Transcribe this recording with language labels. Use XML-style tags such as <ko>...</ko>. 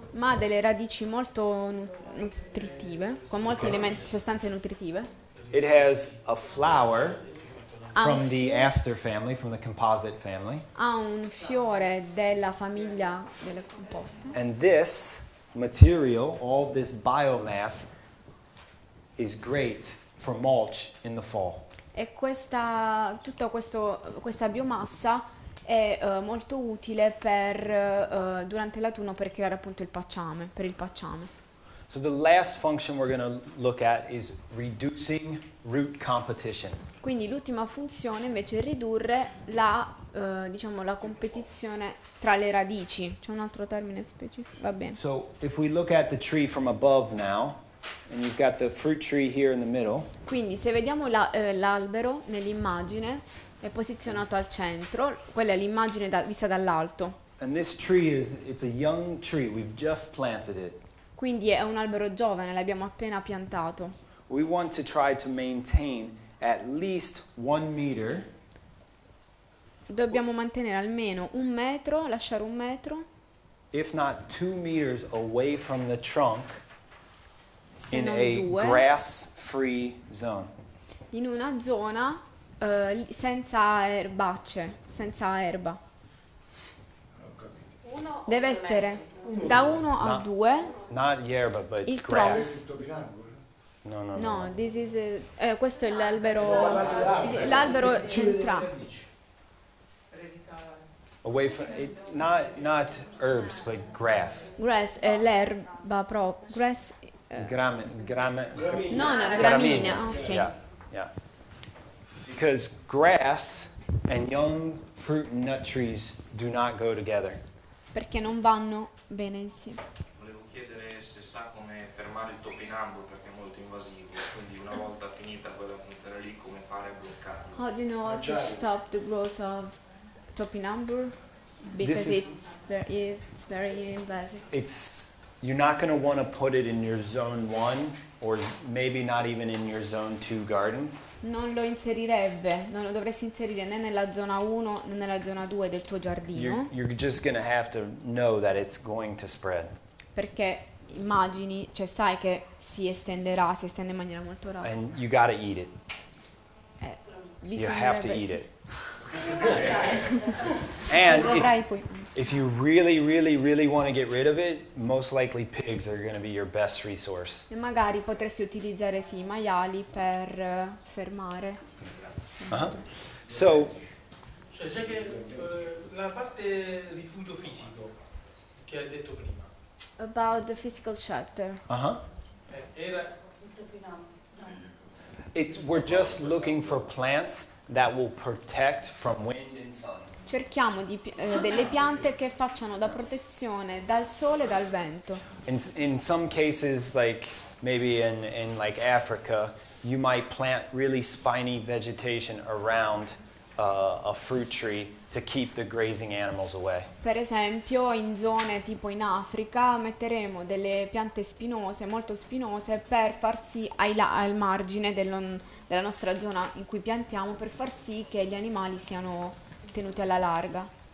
<it>Ma ha delle radici molto nutritive, con molte sostanze nutritive.</it> <en>It has a flower from the aster family, from the composite family.</en> <it>Ha un fiore della famiglia delle composte.</it> <en>And this material, all this biomass, is great for mulch in the fall.</en> <it>E questa biomassa è molto utile per durante l'autunno per creare appunto il pacciame, per il pacciame.</it> <en>So the last function we're going to look at is reducing root competition.</en> <it>Quindi l'ultima funzione invece è ridurre la diciamo la competizione tra le radici. C'è un altro termine specifico, va bene.</it> <en>So if we look at the tree from above now and you've got the fruit tree here in the middle.</en> <it>Quindi se vediamo l'albero nell'immagine è posizionato al centro, quella è l'immagine vista dall'alto.</it> <en>And this tree is, it's a young tree, we've just planted it.</en> <it>Quindi è un albero giovane, l'abbiamo appena piantato.</it> <en>We want to try to maintain at least 1 meter.</en> <it>Dobbiamo mantenere almeno un metro, lasciare un metro.</it> <en>If not 2 meters away from the trunk, in a</en> <it>due,</it> <en>grass-free zone.</en> <it>In una zona senza erbacce, senza erba. Deve essere da 1 a 2.</it> <en>Not yerba, but</en> <it>il</it> <en>grass. No. This is</en> <it>questo è l'albero centrale.</it> <en>Away from it, not herbs, but grass.</en> <it>Grass, l'erba pro grass. Gramina.</it> <en>Okay. Yeah. Because grass and young fruit and nut trees do not go together.</en> <it>Perché non vanno bene insieme. Volevo chiedere se sa come fermare il topinambur perché è molto invasivo. Quindi una volta finita quella funzione lì, come fare a bloccarlo?</it> <en>How do you know how to stop the growth of topinambur? Because it's very invasive. It's you're not going to want to put it in your zone one, or maybe not even in your zone two garden.</en> <it>Non lo inserirebbe, non lo dovresti inserire né nella zona 1 né nella zona 2 del tuo giardino.</it> <en>You're just gonna have to know that it's going to spread.</en> <it>Perché immagini, cioè sai che si estenderà, si estende in maniera molto rapida.</it> <en>And you gotta eat it. You have to eat it. And if you really, really, really want to get rid of it, most likely pigs are going to be your best resource.</en> <it>E magari potresti utilizzare sì i maiali per fermare.</it> <en>So.</en> <it>Cioè c'è che la parte rifugio fisico che hai detto prima.</it> <en>About the physical shelter.</en> <it>Era.</it> <en>We're just looking for plants that will protect from wind and sun.</en> <it>Cerchiamo di delle piante che facciano da protezione dal sole e dal vento.</it> <en>In some cases, like maybe in like Africa, you might plant really spiny vegetation around a fruit tree to keep the grazing animals away.</en> <it>Per esempio, in zone tipo in Africa, metteremo delle piante spinose, molto spinose, per far sì al margine della nostra zona in cui piantiamo, per far sì che gli animali siano tenuti alla larga.</it>